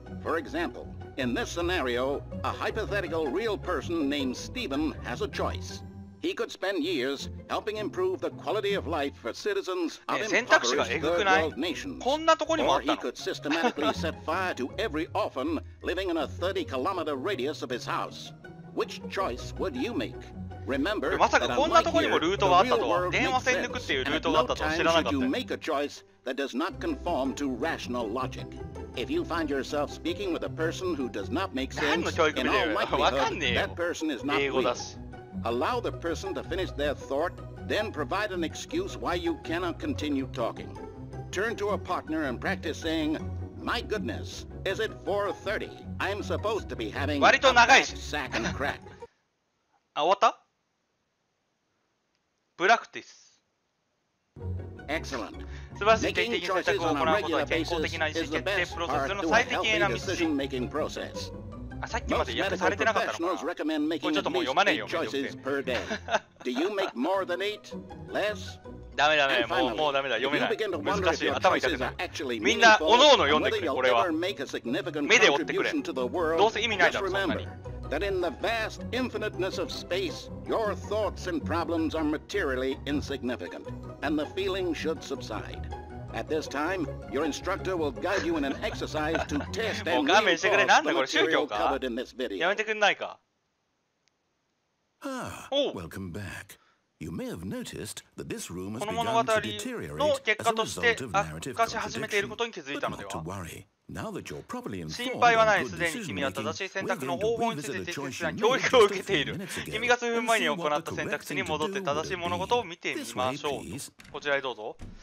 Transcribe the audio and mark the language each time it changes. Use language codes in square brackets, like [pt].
[en] For example, in this scenario, a hypothetical real person named Stephen has a choice. He could spend years helping improve the quality of life for citizens of impoverished third world nations. Or he could systematically set fire to every orphan living in a 30-kilometer radius of his house. Which choice would you make? Remember, [ja] まさかこんなところにもルートがあったとは、電話線抜くっていうルートがあったとは知らなかった。 [en] You make a choice that does not conform to rational logic. If you find yourself speaking with a person who does not make sense, [ja] 何の教育見てる？わかんねえよ。 [en] That person is not [ja] 英語だし。 [en] Allow the person to finish their thought, then provide an excuse why you cannot continue talking. Turn to a partner and practice saying, My goodness, is it 4:30? I'm supposed to be having a sack and crack. [ja] あ、終わった？プラクティス。 [en] Excellent. [ja] 素晴らしい定的な選択を行うことは健康的な意思決定プロセスの最適な道。 [en] Decision-making process. [ja] あ、さっきまで予約されてなかったのかな。これちょっともう読まねえよ、メニューって。 [en] Do you make more than eight? Less? [ja] ダメダメ、もうダメだ、読めない。難しい、頭痛くなる。みんな、おのおの読んでくれ、これは。目で追ってくれ。どうせ意味ないだろ、そんなに。 [en] That in the vast infiniteness of space, your thoughts and problems are materially insignificant, and the feeling should subside. At this time, your instructor will guide you in an exercise to test and reinforce the material covered in this video. [ja] やめてくんないか。 [en] Welcome back. You may have noticed that this room [ja] この物語の結果として悪化し始めていることに気づいたのでは。心配はない。すでに君は正しい選択の方法について適切な教育を受けている。君が数分前に行った選択肢に戻って正しい物事を見てみましょう。こちらへどうぞ。